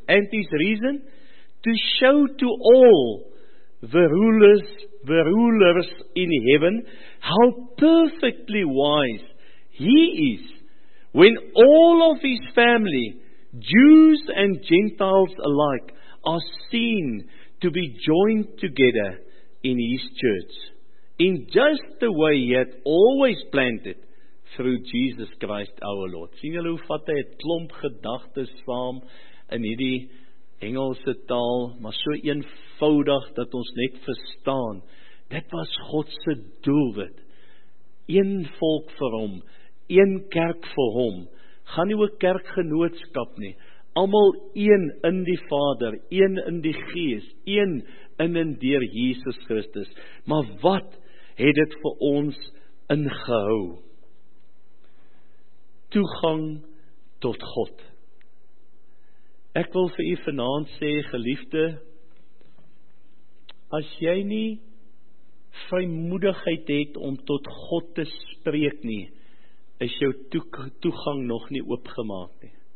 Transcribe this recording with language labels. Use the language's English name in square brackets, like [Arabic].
[English] And his reason, to show to all the rulers in heaven how perfectly wise he is when all of his family, Jews and Gentiles alike, are seen to be joined together in his church, in just the way he had always planned it through Jesus Christ our Lord. [Afrikaans] Sien julle hoe vat hy 'n klomp gedagtes saam in hierdie Engelse taal, maar so eenvoudig dat ons net verstaan. Dit was God se doelwit. Een volk vir hom, een kerk vir hom. Gaan nie 'n kerkgenootskap nie. Almal een in die Vader, een in die Gees, een in en deur Jesus Christus. Maar wat het dit vir ons ingehou? Toegang tot God. Ek wil vir u vanaand sê, geliefde, as jy nie vrymoedigheid het om tot God te spreek nie, is jou toegang nog nie oopgemaak nie.